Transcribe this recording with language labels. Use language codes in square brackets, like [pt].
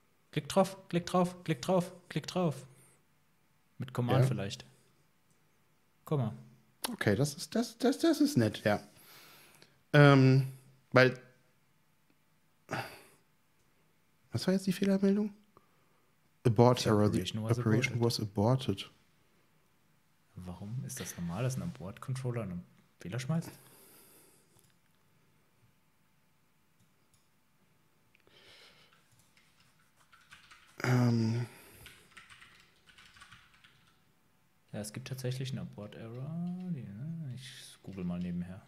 [de] Klick drauf, klick drauf, klick drauf, klick drauf. Mit Command vielleicht. Guck mal. Okay, das ist nett, ja. Weil. Was war jetzt die Fehlermeldung? [en] Abort Error. The operation was aborted. [de] Warum ist das normal, dass ein Abort-Controller einen Fehler schmeißt? Ja, es gibt tatsächlich einen Abort-Error. Ich google mal nebenher.